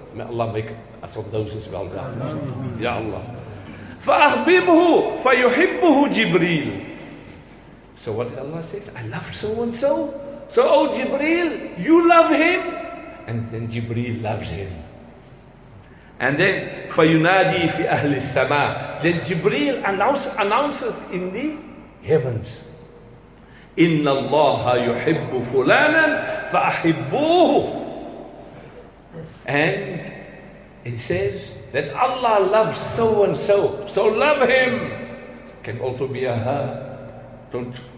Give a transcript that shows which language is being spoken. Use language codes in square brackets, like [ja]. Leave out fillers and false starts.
[en] May Allah make us of those as well. [ar] Ya Allah. فَأَحْبِبْهُ فَيُحِبُّهُ جِبْرِيلُ. [en] So what Allah says, I love so-and-so. So, oh Jibreel, you love him. And then Jibreel loves him. And then, [ar] فَيُنَادِي فِي أَهْلِ السَّمَاءِ. [en] Then Jibreel announces in the heavens, [ar] إِنَّ اللَّهَ يُحِبُّ فُلَانًا فَأَحِبُّوهُ. [en] And it says that Allah loves so-and-so. So love him. Can also be a her. Don't.